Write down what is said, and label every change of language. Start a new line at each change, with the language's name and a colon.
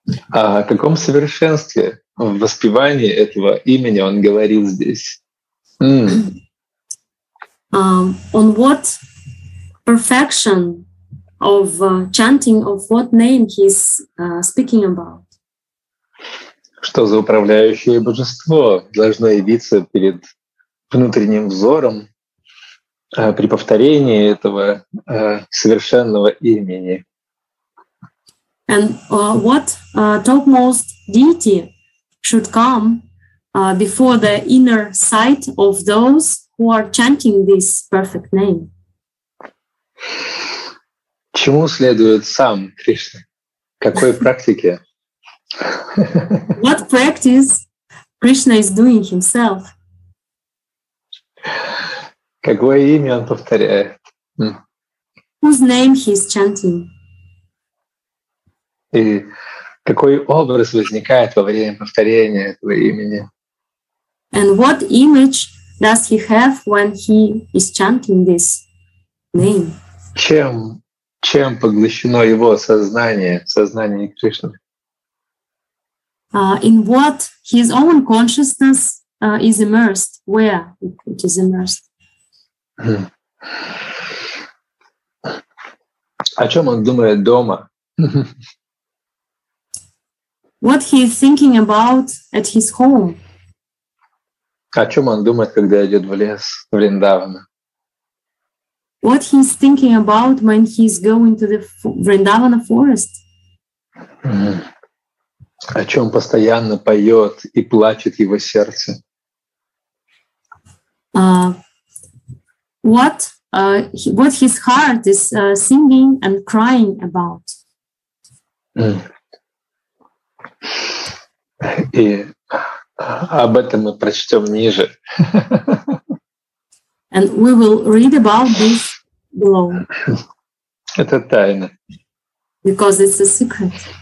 Russian: О каком совершенстве в воспевании этого имени он говорил здесь?
English: On what perfection of chanting of what name he's speaking about?
Russian: Что за управляющее божество должно явиться перед внутренним взором при повторении этого совершенного имени?
English: And what topmost deity should come before the inner sight of those who are chanting this perfect name?
Russian: Чему следует сам Кришна? Какой практике?
English: What practice Krishna is doing himself?
Russian: Какое имя он повторяет?
English: Whose name he is chanting?
Russian: И Какой образ возникает во время повторения этого имени?
English: And what image does he have when he is chanting this name?
Russian: Чем поглощено его сознание, сознание Кришны?
English: In what his own consciousness is immersed? Where it is immersed?
Russian: О чем он думает дома?
English: What he is thinking about at his home?
Russian: О чем он думает, когда идет в лес, в Вриндавана?
English: What he is thinking about when he is going to the Vrindavana forest?
Russian: О чем постоянно поет и плачет его сердце?
English: What his heart is singing and crying about?
Russian: И об этом мы прочтем ниже.
English: And we will read about this below.
Russian: Это тайна.
English: Because it's a secret.